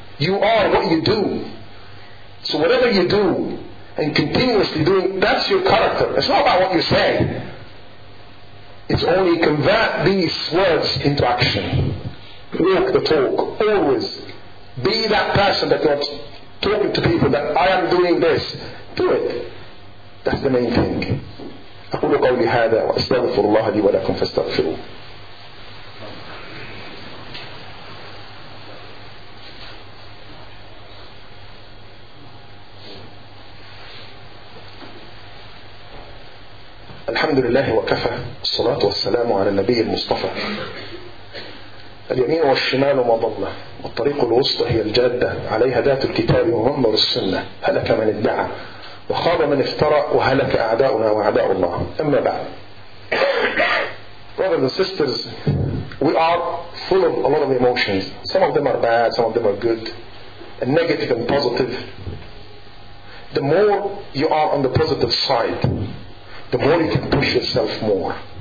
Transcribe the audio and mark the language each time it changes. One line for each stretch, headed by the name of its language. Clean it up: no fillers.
English: You are what you do. So whatever you do and continuously doing, that's your character. It's not about what you say. It's only convert these words into action. Walk the talk. Always be that person that you're talking to people that I am doing this. Do it. That's the main thing.
Arabic: أقول قولي هذا وأستغفر الله لي ولكم فاستغفروا. الحمد لله وكفى, الصلاة والسلام على النبي المصطفى. اليمين والشمال وما ضلنا, والطريق الوسطى هي الجادة, عليها ذات الكتاب ومنبر السنة. هلك من ادعى وخاب من افترى, وهلك أعداؤنا وأعداء الله. أما بعد,
English: brothers and sisters, we are full of a lot of emotions. Some of them are bad, some of them are good, and negative and positive. The more you are on the positive side, the more you can push yourself more.